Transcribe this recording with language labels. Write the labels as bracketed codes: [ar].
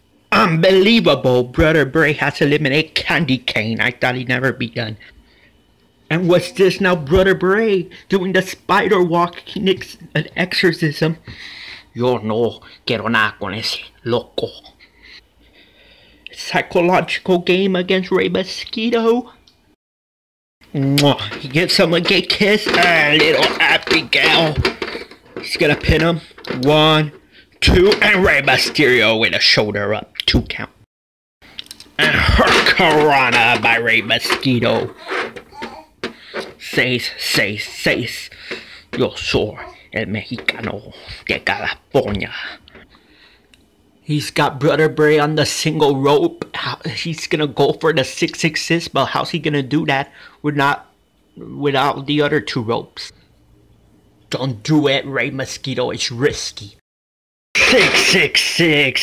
[en] Unbelievable, Brother Bray has eliminated Candy Cane. I thought he'd never be done. And what's this now? Brother Bray doing the spider walk, an exorcism. [es] Yo no quiero nada con ese loco. [en] Psychological game against Ray Mosquito. Mwah. He gets him a gay kiss. Ah, little Abigail. He's gonna pin him. 1, 2, and Rey Mysterio with a shoulder up. 2 count. And Hurricanrana by Rey Mosquito. [es] Seis. Yo soy el Mexicano de California. [en] He's got Brother Bray on the single rope. He's gonna go for the 666, but how's he gonna do that without the other two ropes? Don't do it, Rey Mosquito. It's risky. 666.